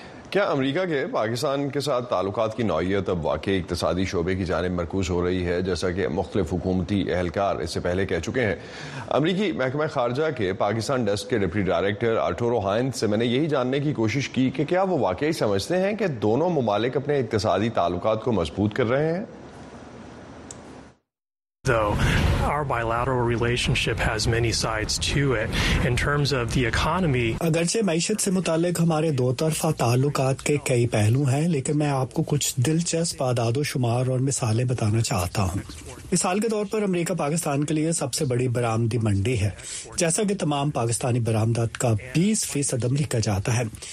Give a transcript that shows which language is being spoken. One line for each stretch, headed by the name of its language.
Urdu: کیا امریکہ کے پاکستان کے ساتھ تعلقات کی نوعیت اب واقعی اقتصادی شعبے کی جانب مرکوز ہو رہی ہے جیسا کہ مختلف حکومتی اہلکار اس سے پہلے کہہ چکے ہیں؟ امریکی محکمہ خارجہ کے پاکستان ڈیسک کے ڈپٹی ڈائریکٹر آرٹورو ہائنز سے میں نے یہی جاننے کی کوشش کی کہ کیا وہ واقعی سمجھتے ہیں کہ دونوں ممالک اپنے اقتصادی تعلقات کو مضبوط کر رہے ہیں.
English: Our bilateral relationship has many sides to it in terms of the economy.
Urdu: اگرچہ معیشت سے متعلق ہمارے دو طرفہ تعلقات کے کئی پہلو ہیں لیکن میں آپ کو کچھ دلچسپ اعداد و شمار اور مثالیں بتانا چاہتا ہوں. مثال کے طور پر امریکہ پاکستان کے لیے سب سے بڑی برآمدی منڈی ہے. جیسا کہ تمام پاکستانی برآمدات کا 20% امریکہ جاتا ہے.